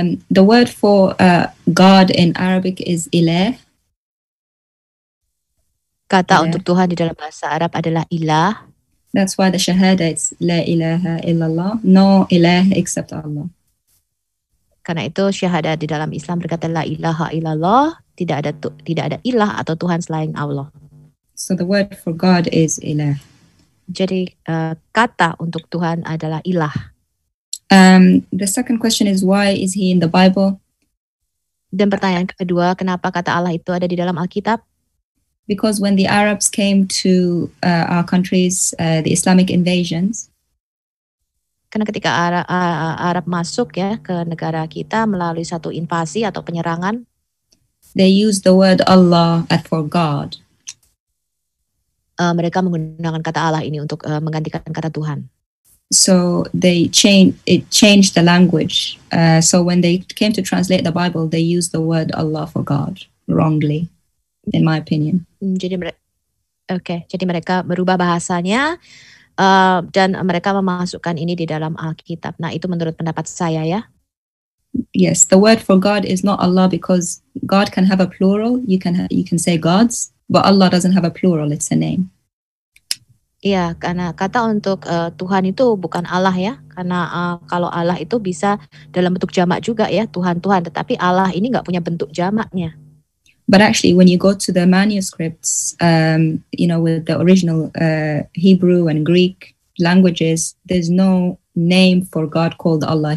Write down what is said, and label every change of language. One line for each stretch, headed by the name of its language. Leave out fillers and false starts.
English: The word for God in Arabic is ilah.
Indonesian: Kata ilah. Untuk Tuhan di dalam bahasa Arab adalah ilah.
English: That's why the shahada is
Arabic: la ilaha illallah,
English: no ilah except Allah.
Indonesian: Karena itu syahada di dalam Islam berkata
Arabic: la ilaha illallah,
Indonesian: tidak ada ilah atau Tuhan selain Allah.
English: So the word for God is ilah.
Indonesian: Jadi kata untuk Tuhan adalah ilah.
English: The second question is why is he in the Bible?
Indonesian: Dan pertanyaan kedua, kenapa kata Allah itu ada di dalam Alkitab?
English: Because when the Arabs came to our countries, the Islamic invasions.
Indonesian: Karena ketika Arab masuk ya ke negara kita melalui satu invasi atau penyerangan.
English: They use the word Allah for God.
Indonesian: Mereka menggunakan kata Allah ini untuk menggantikan kata Tuhan.
English: So they changed the language. So when they came to translate the Bible, they used the word Allah for God wrongly, in my opinion.
Indonesian: Jadi mereka berubah bahasanya dan mereka memasukkan ini di dalam Alkitab. Nah, itu menurut pendapat saya ya.
English: Yes, the word for God is not Allah because God can have a plural. You can say gods, but Allah doesn't have a plural. It's a name.
Indonesian: Iya, karena kata untuk Tuhan itu bukan Allah ya. Karena kalau Allah itu bisa dalam bentuk jamak juga ya, Tuhan-Tuhan. Tetapi Allah ini nggak punya bentuk jamaknya.
English: But actually, when you go to the manuscripts, you know, with the original Hebrew and Greek languages, there's no name for God called Allah.